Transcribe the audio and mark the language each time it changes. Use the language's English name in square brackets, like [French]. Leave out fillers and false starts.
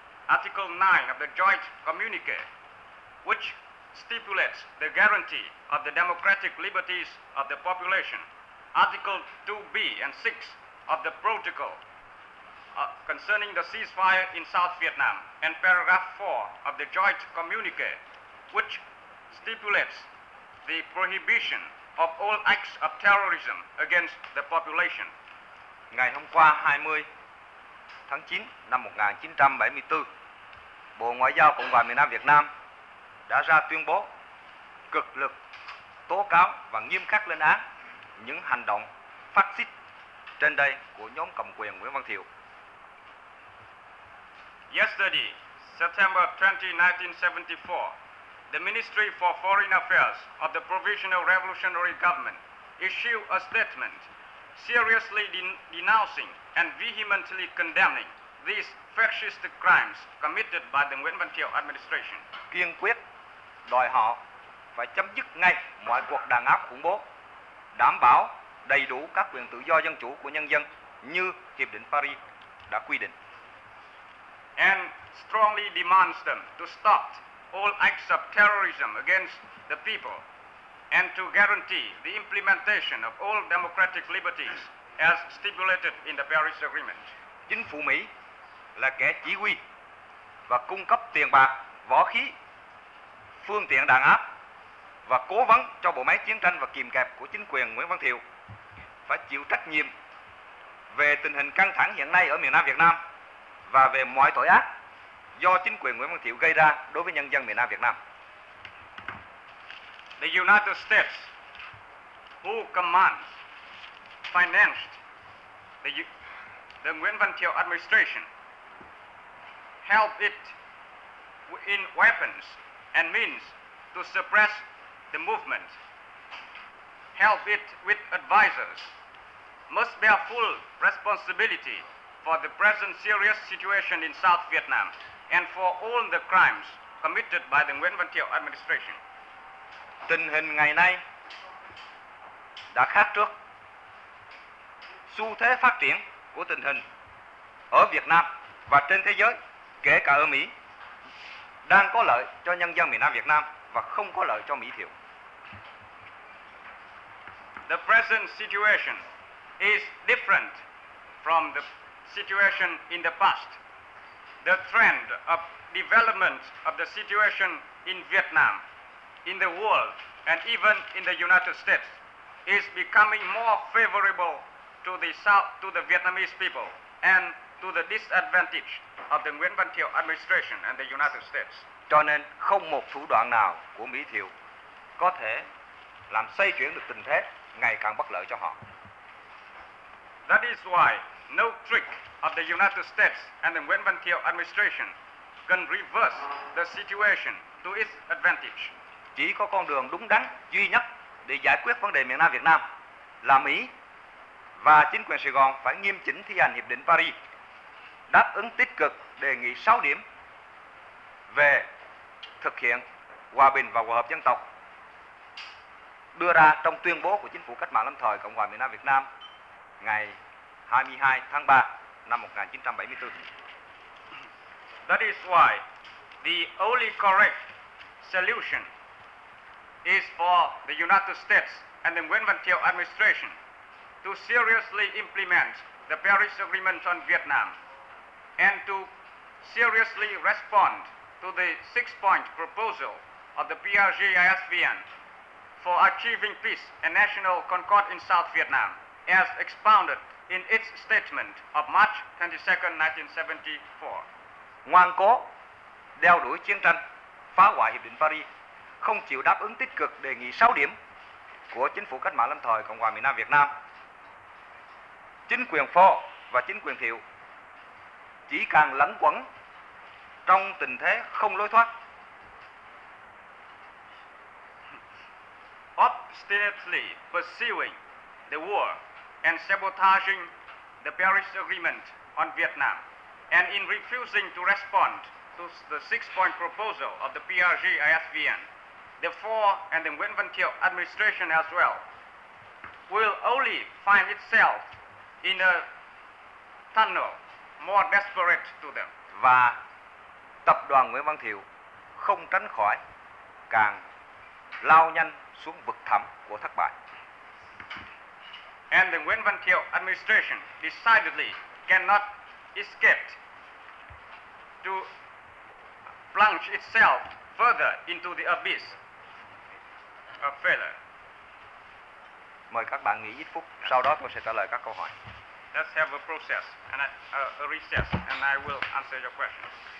[English] Article 9 of the Joint Communique, which stipulates the guarantee of the democratic liberties of the population, Article 2B and 6 of the Protocol concerning the ceasefire in South Vietnam, and Paragraph 4 of the Joint Communique, which stipulates the prohibition of all acts of terrorism against the population. [Vietnamese] Ngày hôm qua 20 tháng 9 năm 1974, Bộ Ngoại giao Cộng hòa miền Nam Việt Nam đã ra tuyên bố cực lực tố cáo và nghiêm khắc lên án những hành động phát xít trên đây của nhóm cầm quyền Nguyễn Văn Thiệu. [English] Yesterday, September 20, 1974, the Ministry for Foreign Affairs of the Provisional Revolutionary Government issued a statement seriously denouncing and vehemently condemning these fascist crimes committed by the Nguyễn Văn Thiệu administration. [Vietnamese] Kiên quyết đòi họ phải chấm dứt ngay mọi cuộc đàn áp khủng bố, đảm bảo đầy đủ các quyền tự do dân chủ của nhân dân như Hiệp định Paris đã quy định. [English] And strongly demands them to stop all acts of terrorism against the people and to guarantee the implementation of all democratic liberties as stipulated in the Paris Agreement. [Vietnamese] Chính phủ Mỹ là kẻ chỉ huy và cung cấp tiền bạc, vũ khí, phương tiện đàn áp và cố vấn cho bộ máy chiến tranh và kìm kẹp của chính quyền Nguyễn Văn Thiệu, phải chịu trách nhiệm về tình hình căng thẳng hiện nay ở miền Nam Việt Nam và về mọi tội ác do chính quyền Nguyễn Văn Thiệu gây ra đối với nhân dân miền Nam Việt Nam. [English] The United States, who commands, financed the Nguyễn Văn Thiệu administration, helped it in weapons and means to suppress the movement, help it with advisors, must bear full responsibility for the present serious situation in South Vietnam and for all the crimes committed by the Nguyễn Văn Thiệu administration. [Vietnamese] Tình hình ngày nay đã khác trước. Xu thế phát triển của tình hình ở Việt Nam và trên thế giới, kể cả ở Mỹ, đang có lợi cho nhân dân miền Nam Việt Nam và không có lợi cho Mỹ Thiệu. [English] The present situation is different from the situation in the past. The trend of development of the situation in Vietnam, in the world, and even in the United States is becoming more favorable to the South, to the Vietnamese people, and to the disadvantage of the Nguyễn Văn Thiệu administration and the United States. [Vietnamese] Cho nên không một thủ đoạn nào của Mỹ Thiệu có thể làm xoay chuyển được tình thế ngày càng bất lợi cho họ. [English] That is why no trick of the United States and the Nguyễn Văn Thiệu administration can reverse the situation to its advantage. [Vietnamese] Chỉ có con đường đúng đắn duy nhất để giải quyết vấn đề miền Nam Việt Nam là Mỹ và chính quyền Sài Gòn phải nghiêm chỉnh thi hành Hiệp định Paris, đáp ứng tích cực đề nghị 6 điểm về thực hiện hòa bình và hòa hợp dân tộc đưa ra trong tuyên bố của Chính phủ Cách mạng Lâm thời Cộng hòa miền Nam Việt Nam ngày 22 tháng 3 năm 1974. [English] That is why the only correct solution is for the United States and the Nguyễn Văn Thiệu administration to seriously implement the Paris Agreement on Vietnam and to seriously respond to the six-point proposal of the PRG-ISVN for achieving peace and national concord in South Vietnam as expounded in its statement of March 22, 1974. [Vietnamese] Ngoan cố đeo đuổi chiến tranh, phá hoại Hiệp định Paris, không chịu đáp ứng tích cực đề nghị 6 điểm của Chính phủ Cách mạng Lâm thời Cộng hòa miền Nam Việt Nam. Chính quyền Ford và chính quyền Thiệu chỉ càng lẩn quẩn trong tình thế không lối thoát. [English] Obstinately pursuing the war and sabotaging the Paris Agreement on Vietnam, and in refusing to respond to the six-point proposal of the PRG-ISVN, the Ford and the Nguyễn Văn Thiệu administration as well will only find itself in a tunnel more desperate to them. [Vietnamese] Và tập đoàn Nguyễn Văn Thiệu không tránh khỏi càng lao nhanh xuống vực thẳm của thất bại. [English] And the Nguyễn Văn Thiệu administration decidedly cannot escape to plunge itself further into the abyss of failure. [Vietnamese] Mời các bạn nghỉ ít phút, sau đó tôi sẽ trả lời các câu hỏi. [English] Let's have a process and a recess, and I will answer your questions.